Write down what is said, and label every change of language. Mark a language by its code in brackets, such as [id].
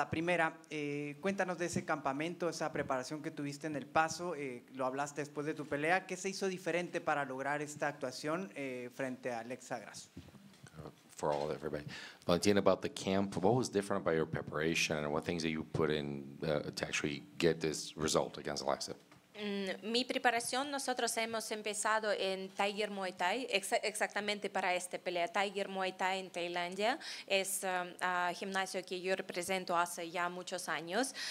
[es] La primera, cuéntanos de ese campamento, esa preparación que tuviste en El Paso. Lo hablaste después de tu pelea. ¿Qué se hizo diferente para lograr esta actuación frente a Alexa Grasso? [en] For all of everybody. Valentina, about the camp, what was different about your preparation and what things that you put in to actually get this result against Alexa? [es] Mi preparación, nosotros hemos empezado en Tiger Muay Thai, exactamente para esta pelea. Tiger Muay Thai en Tailandia es gimnasio que yo represento hace ya muchos años.